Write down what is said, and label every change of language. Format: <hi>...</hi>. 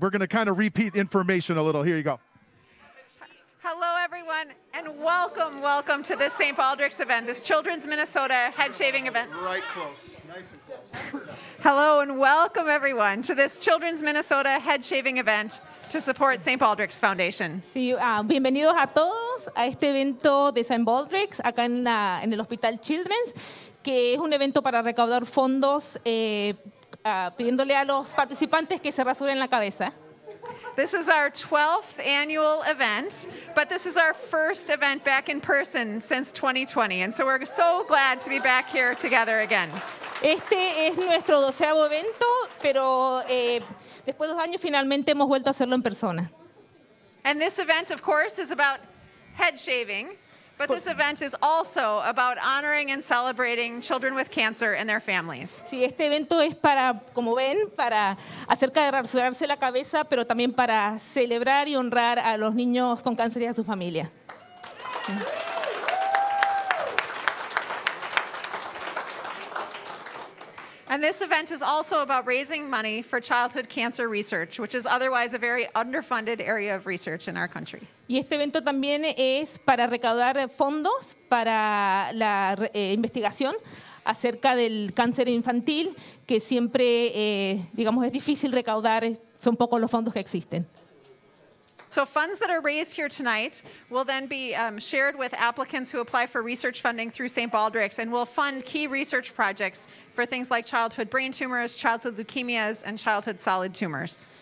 <en>We're going to kind of repeat information a little. Here you go. Hello, everyone, and welcome, welcome to this St. Baldrick's event, this Children's Minnesota head shaving event. Right close, nice and close. Hello, and welcome, everyone, to this Children's Minnesota head shaving event to support St. Baldrick's Foundation.</en> <es>Sí, bienvenidos a todos a este evento de St. Baldrick's acá en, en el Hospital Children's, que es un evento para recaudar fondos pidiéndole a los participantes que se rasuren la cabeza.</es> <en>This is our 12th annual event, but this is our first event back in person since 2020, and so we're so glad to be back here together again.</en> <es>Este es nuestro 12º evento, pero después de 2 años finalmente hemos vuelto a hacerlo en persona.</es> <en>And this event, of course, is about head shaving, but this event is also about honoring and celebrating children with cancer and their families.</en> <es>Sí, este evento es para, como ven, para acerca de rasurarse la cabeza, pero también para celebrar y honrar a los niños con cáncer y a su familia.</es> <en>And this event is also about raising money for childhood cancer research, which is otherwise a very underfunded area of research in our country.</en> <es>Y este evento también es para recaudar fondos para la investigación acerca del cáncer infantil, que siempre, digamos, es difícil recaudar, son pocos los fondos que existen.</es> <en>So funds that are raised here tonight will then be shared with applicants who apply for research funding through St. Baldrick's and will fund key research projects for things like childhood brain tumors, childhood leukemias, and childhood solid tumors.</en>